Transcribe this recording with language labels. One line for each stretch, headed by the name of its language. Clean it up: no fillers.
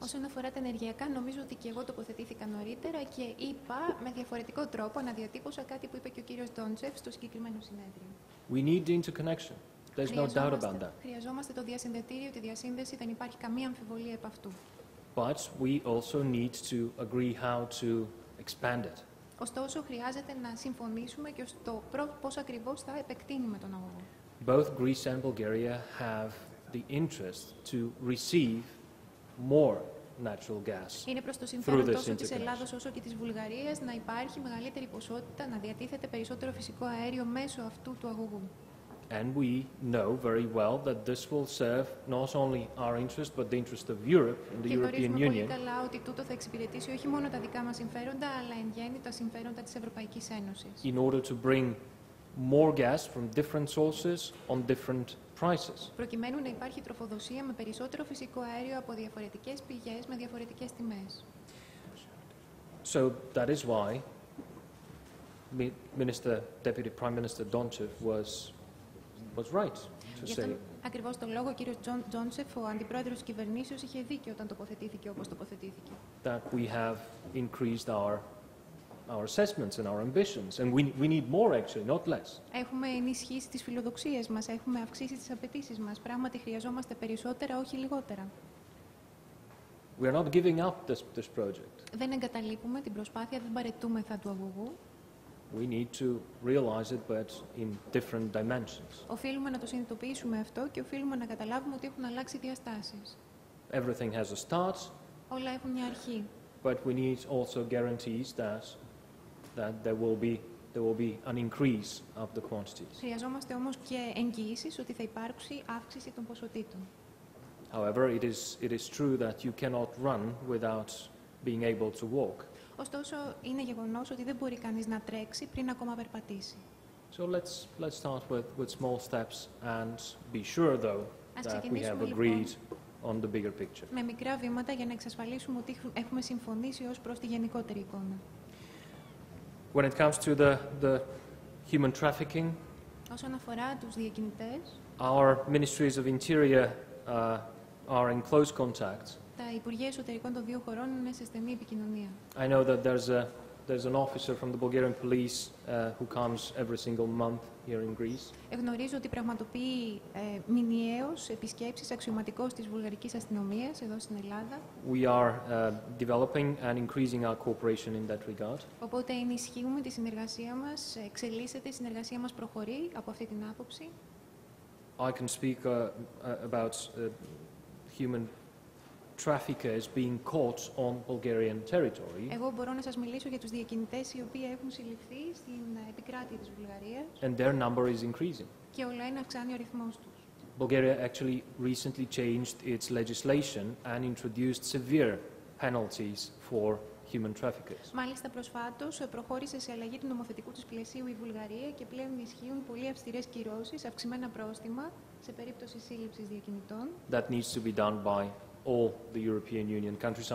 Greek: Όσον αφορά τα ενεργειακά, νομίζω ότι και εγώ τοποθετήθηκα νωρίτερα και είπα με διαφορετικό τρόπο, αναδιατύπωσα κάτι που είπε και ο κύριος Donchev στο συγκεκριμένο συνέδριο.
English: We need the interconnection. There's no doubt about that.
Greek: Χρειαζόμαστε το διασυνδετήριο, τη διασύνδεση, δεν υπάρχει καμία αμφιβολία επ' αυτού.
English: But we also need to agree how to expand it.
Greek: Ωστόσο, χρειάζεται να συμφωνήσουμε και στο πώς ακριβώς θα επεκτείνουμε τον αγωγό.
English: Both Greece and Bulgaria have the interest to receive more natural gas through this interconnection.
Greek: Είναι προς το συμφέρον τόσο της Ελλάδος όσο και της Βουλγαρίας να υπάρχει μεγαλύτερη ποσότητα, να διατίθεται περισσότερο φυσικό αέριο μέσω αυτού του αγωγού.
English: And we know very well that this will serve not only our interest but the interest of Europe and the European Union.
Greek: Και γνωρίζουμε πολύ καλά ότι τούτο θα εξυπηρετήσει όχι μόνο τα δικά μας συμφέροντα, αλλά εν γέννη τα συμφέροντα της Ευρωπαϊκής Ένωσης.
English: In order to bring more gas from different sources on different prices.
Greek: Προκειμένου να υπάρχει τροφοδοσία με περισσότερο φυσικό αέριο από διαφορετικές πηγές με διαφορετικές τιμές.
English: So that is why Minister, Deputy Prime Minister Donchev was right to say.
Greek: Ακριβώς τον λόγο, ο κύριος Τζόνσεφ, ο αντιπρόεδρος της κυβερνήσεως, είχε δίκιο όταν τοποθετήθηκε όπως τοποθετήθηκε.
English: That we have increased our assessments and our ambitions, and we need more actually, not less.
Greek: Έχουμε ενισχύσει τις φιλοδοξίες μας, έχουμε αυξήσει τις απαιτήσεις μας. Πράγματι χρειαζόμαστε περισσότερα, όχι λιγότερα.
English: We are not giving up this project.
Greek: Δεν εγκαταλείπουμε την προσπάθεια, δεν παρετούμεθα του αγωγού.
English: We need to realize it, but in different dimensions.
Greek: Οφείλουμε να το συνειδητοποιήσουμε αυτό και οφείλουμε να καταλάβουμε ότι έχουν αλλάξει διαστάσεις.
English: Everything has a start.
Greek: Όλα έχουν μια αρχή.
English: But we need also guarantees that there will be an increase of the quantities.
Greek: Χρειαζόμαστε όμως και εγγυήσεις ότι θα υπάρξει αύξηση των ποσοτήτων.
English: However, it is true that you cannot run without being able to walk.
Greek: Ωστόσο, είναι γεγονός ότι δεν μπορεί κανείς να τρέξει πριν ακόμα περπατήσει.
English: So let's start with small steps and be sure though that we have agreed on the bigger picture.
Greek: Με μικρά βήματα για να εξασφαλίσουμε ότι έχουμε συμφωνήσει ως προς τη γενικότερη εικόνα.
English: When it comes to the human trafficking,
Greek: όσον αφορά τους διακινητές,
English: our ministries of interior are in close contact.
Greek: Τα Υπουργεία Εσωτερικών των δύο χωρών είναι σε στενή επικοινωνία.
English: I know that there's an officer from the Bulgarian police who comes every single month here in Greece.
Greek: Εγνωρίζω ότι πραγματοποιεί μηνιαίως επισκέψεις αξιωματικός της βουλγαρικής αστυνομίας εδώ στην Ελλάδα.
English: We are developing and increasing our cooperation in that regard.
Greek: Οπότε ενισχύουμε τη συνεργασία μας, εξελίσσεται η συνεργασία μας, προχωρεί από αυτή την άποψη.
English: I can speak about human traffickers being caught on Bulgarian territory.
Greek: Εγώ μπορώ να σας μιλήσω για τους διακινητές οι οποίοι έχουν συλληφθεί στην επικράτεια της Βουλγαρίας.
English: And their number is increasing.
Greek: Και όλο ένα αυξάνει ο ρυθμός τους.
English: Bulgaria actually recently changed its legislation and introduced severe penalties for human traffickers.
Greek: Μάλιστα προσφάτως προχώρησε σε αλλαγή του νομοθετικού της πλαισίου η Βουλγαρία και πλέον ισχύουν πολύ αυστηρές κυρώσεις, αυξημένα πρόστιμα σε περίπτωση σύλληψης διακινητών.
English: That needs to be done by all the European Union countries.